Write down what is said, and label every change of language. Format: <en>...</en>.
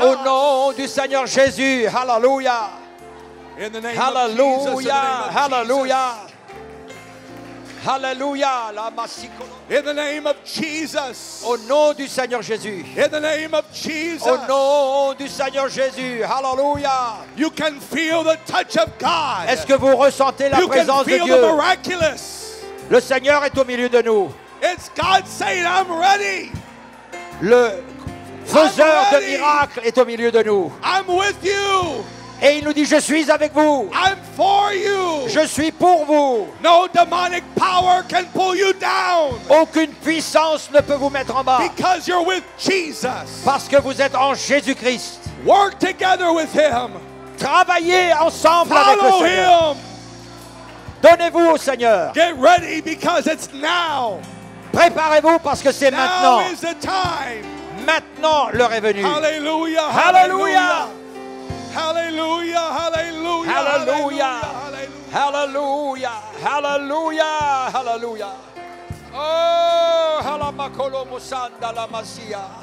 <fr>Au nom du Seigneur Jésus. Alléluia. Alléluia. Alléluia. Hallelujah, la</fr> <en>in the name of Jesus.</en> <fr>Au nom du Seigneur Jésus.</fr> <en>In the name of Jesus.</en> <fr>Au nom du Seigneur Jésus.</fr> <en>Hallelujah. You can feel the touch of God.</en> <fr>Est-ce que vous ressentez la</fr> <en>you</en> <fr>présence</fr> <en>can feel</en> <fr>de Dieu?</fr> <en>The miraculous.</en> <fr>Le Seigneur est au milieu de nous.</fr> <en>It's God saying, I'm ready.</en> <fr>Le faiseur de miracles est au milieu de nous.</fr> <en>I'm with you.</en> <fr>Et il nous dit, je suis avec vous.</fr> <en>I'm for you.</en> <fr>Je suis pour vous.</fr> <en>No demonic power can pull you down.</en> <fr>Aucune puissance ne peut vous mettre en bas.</fr> <en>Because you're with Jesus.</en> <fr>Parce que vous êtes en Jésus-Christ.</fr> <en>Work together with him.</en> <fr>Travaillez ensemble</fr> <en>Follow</en> <fr>avec le Seigneur.</fr> <en>Him.</en> <fr>Donnez-vous au Seigneur.</fr> <en>Get ready because it's now.</en> <fr>Préparez-vous parce que c'est</fr> <en>now</en> <fr>maintenant.</fr> <en>Is the time.</en> <fr>Maintenant l'heure est venue.</fr> <en>Hallelujah. Hallelujah. Hallelujah, hallelujah, hallelujah, hallelujah, hallelujah, hallelujah. Oh, halamakolo musanda la masia.</en>